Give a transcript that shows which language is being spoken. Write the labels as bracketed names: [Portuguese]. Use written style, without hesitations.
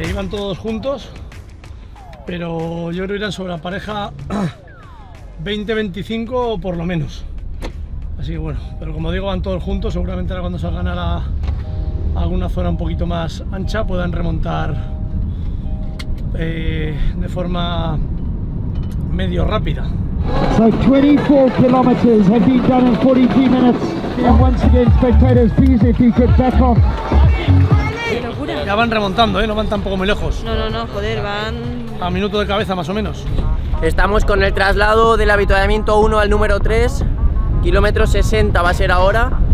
[Spanish] Todos juntos, pero yo creo que irán sobre la pareja 20-25 por lo menos, así que bueno, pero como digo, van todos juntos, seguramente ahora cuando salgan a la alguna zona un poquito más ancha puedan remontar de forma medio rápida. [English] So 24 kilometers have been done in 43 minutes, and once again spectators, please if you could back off. [Spanish] Ya van remontando, no van tampoco muy lejos. No, joder, van... A minuto de cabeza, más o menos. Estamos con el traslado del avituallamiento 1 al número 3. Kilómetro 60 va a ser ahora.